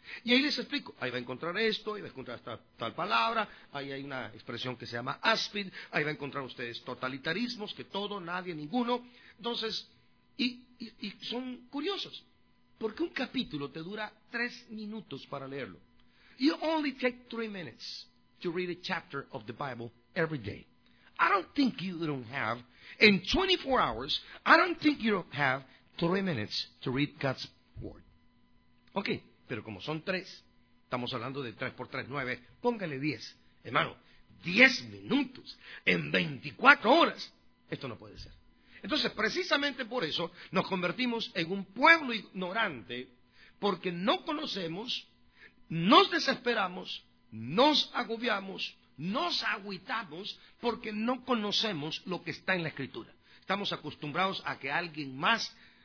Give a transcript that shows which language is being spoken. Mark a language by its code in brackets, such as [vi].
[es] Y ahí les explico, ahí va a encontrar esto, ahí va a encontrar esta tal palabra, ahí hay una expresión que se llama aspid, ahí va a encontrar ustedes totalitarismos, que todo, nadie, ninguno. Entonces, y son curiosos, porque un capítulo te dura 3 minutos para leerlo. [en] You only take 3 minutes to read a chapter of the Bible every day. I don't think you don't have, in 24 hours, I don't think you don't have 3 minutes to read God's Word. Okay. [es] Pero como son 3, estamos hablando de 3 por 3, 9, póngale 10. Hermano, 10 minutos en 24 horas, esto no puede ser. Entonces, precisamente por eso, nos convertimos en un pueblo ignorante, porque no conocemos, nos desesperamos, nos agobiamos, nos agüitamos, porque no conocemos lo que está en la Escritura. Estamos acostumbrados a que alguien más